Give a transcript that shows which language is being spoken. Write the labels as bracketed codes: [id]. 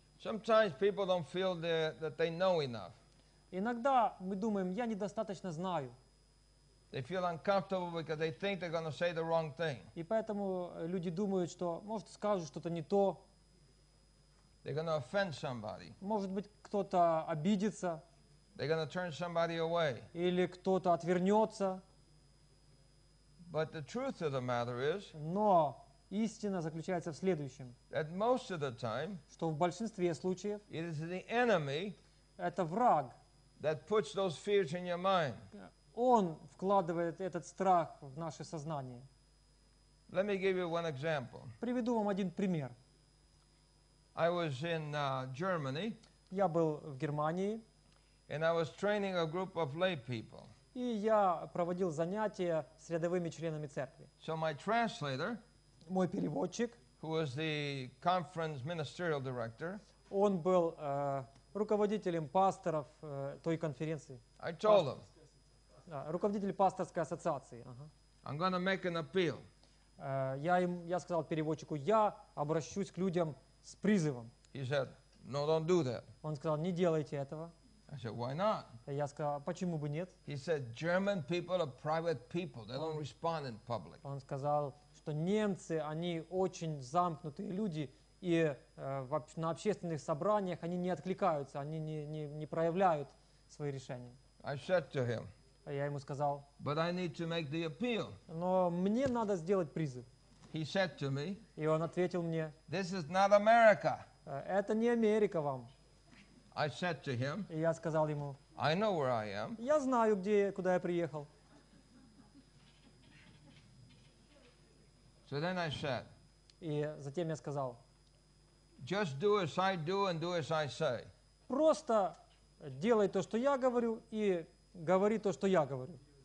[en] Sometimes people don't feel that they know enough. [ru] Иногда мы думаем, я недостаточно знаю. [en] They feel uncomfortable because they think they're going to say the wrong thing. [ru] И поэтому люди думают, что может скажут что-то не то. [en] They're going to offend somebody. [ru] Может быть, кто-то обидится. [en] They're going to turn somebody away. [ru] Или кто-то отвернется. [en] But the truth of the matter is. [ru] Но истина заключается в следующем. [en] That most of the time. [ru] Что в большинстве случаев. [en] It is the enemy. [ru] Это враг. [en] That puts those fears in your mind. [ru] Он вкладывает этот страх в наше сознание. [en] Let me give you one example. [ru] Приведу вам один пример. [en] I was in Germany. [ru] Я был в Германии. [en] And I was training a group of lay people. [ru] И я проводил занятия с рядовыми членами церкви. [en] So my translator, [ru] мой переводчик, [en] who was the conference ministerial director, [ru] он был руководителем пасторов той конференции. [en] I told him. [ru] Руководитель пасторской ассоциации. [en] I'm going to make an appeal. [ru] Я сказал переводчику, я обращусь к людям с призывом. [en] He said, no, don't do that. [ru] Он сказал, не делайте этого. [en] I said, why not? [ru] Я сказал, почему бы нет? [en] He said, German people are private people. They don't respond in public. [ru] Он сказал, что немцы, они очень замкнутые люди, и на общественных собраниях они не откликаются, они не проявляют свои решения. [en] I said to him, [ru] я ему сказал, [en] but I need to make the appeal. [ru] Но мне надо сделать призыв. [en] He said to me, [ru] и он ответил мне, [en] this is not America. [ru] Это не Америка вам. [en] I said to him, [ru] и я сказал ему, [en] I know where I am. [ru] Я знаю, куда я приехал. [en] So then I said, [ru] и затем я сказал, [en] just do as I do and do as I say. [ru] Просто делай то, что я говорю, и говори то, что я говорю.